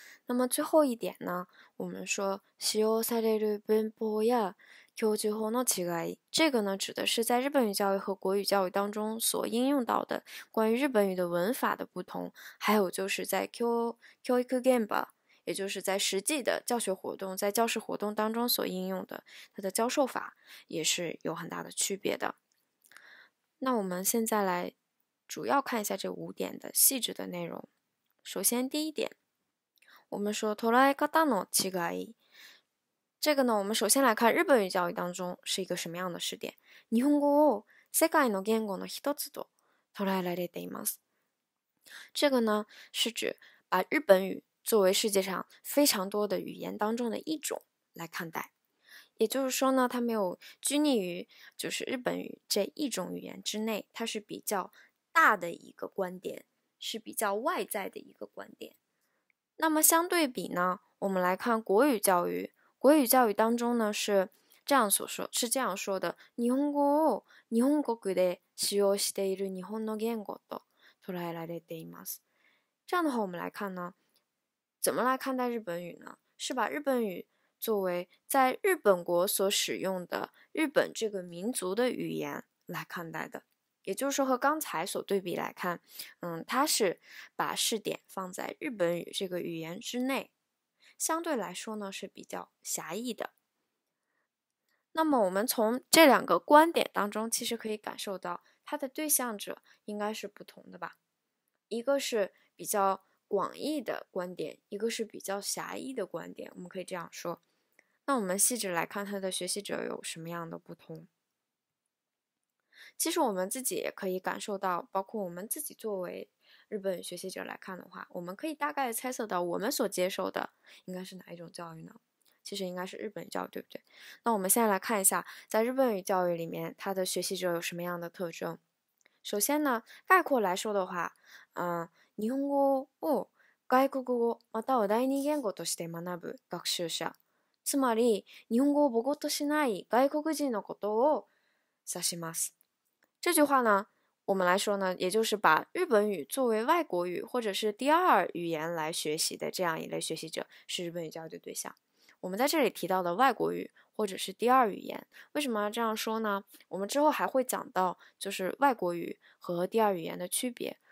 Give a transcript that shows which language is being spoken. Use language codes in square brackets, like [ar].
[zh] 那么最后一点呢，我们说 [ja] 使用される文法や教授法の違い， [zh] 这个呢指的是在日本语教育和国语教育当中所应用到的关于日本语的文法的不同，还有就是在教育現場，也就是在实际的教学活动，在教师活动当中所应用的它的教授法也是有很大的区别的。那我们现在来主要看一下这五点的细致的内容。首先第一点，我们说 [ja] 捉え方の違い。 [zh] 这个呢，我们首先来看日本语教育当中是一个什么样的试点。 [ja] 日本語を世界の言語の一つと捉えられています。 [zh] 这个呢是指把日本语作为世界上非常多的语言当中的一种来看待，也就是说呢，它没有拘泥于就是日本语这一种语言之内，它是比较大的一个观点，是比较外在的一个观点。那么相对比呢，我们来看国语教育。国语教育当中呢是这样所说，是这样说的： [ja] 日本語を日本国で使用している日本の言語と捉えられています。 [zh] 这样的话，我们来看呢，怎么来看待日本语呢？是把日本语作为在日本国所使用的日本这个民族的语言来看待的，也就是说和刚才所对比来看，它是把试点放在日本语这个语言之内。相对来说呢，是比较狭义的。那么，我们从这两个观点当中，其实可以感受到它的对象者应该是不同的吧？一个是比较广义的观点，一个是比较狭义的观点，我们可以这样说。那我们细致来看，它的学习者有什么样的不同？其实我们自己也可以感受到，包括我们自己作为日本学习者来看的话，我们可以大概猜测到我们所接受的应该是哪一种教育呢？其实应该是日本语教育，对不对？那我们现在来看一下，在日本语教育里面，它的学习者有什么样的特征？首先呢，概括来说的话， [ja] 日本語を外国語または第二言語として学ぶ学習者、つまり日本語を母語としない外国人のことを指します。 [zh] 这句话呢，我们来说呢，也就是把日本语作为外国语或者是第二语言来学习的这样一类学习者，是日本语教育的对象。我们在这里提到的外国语或者是第二语言，为什么要这样说呢？我们之后还会讲到，就是外国语和第二语言的区别。